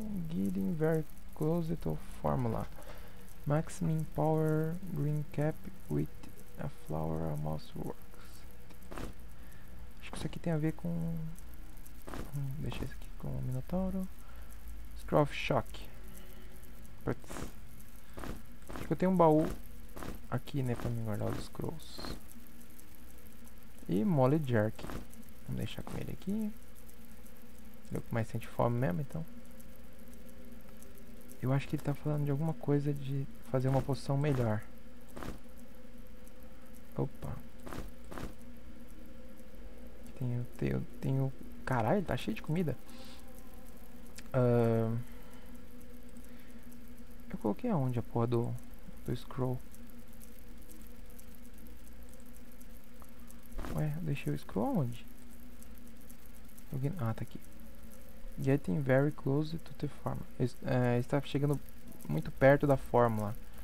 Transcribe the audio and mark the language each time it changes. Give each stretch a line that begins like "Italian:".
English: Getting very close to formula. Maximum power green cap with a flower almost works.
Portuguese: Acho que isso aqui tem a ver com. Deixa isso aqui com o Minotauro. Scroll of Shock. Putz. Acho que eu tenho um baú aqui, né, pra me guardar os scrolls. E Molly Jerk. Vamos deixar com ele aqui. Deu mais sente fome mesmo, então. Eu acho que ele tá falando de alguma coisa de fazer uma poção melhor. Opa. Tenho. Caralho, tá cheio de comida. Eu coloquei aonde a porra do scroll? Ué, deixei o scroll aonde? Ah, tá aqui.
English: Getting very close to the formula.
Portuguese: Está chegando muito perto da fórmula.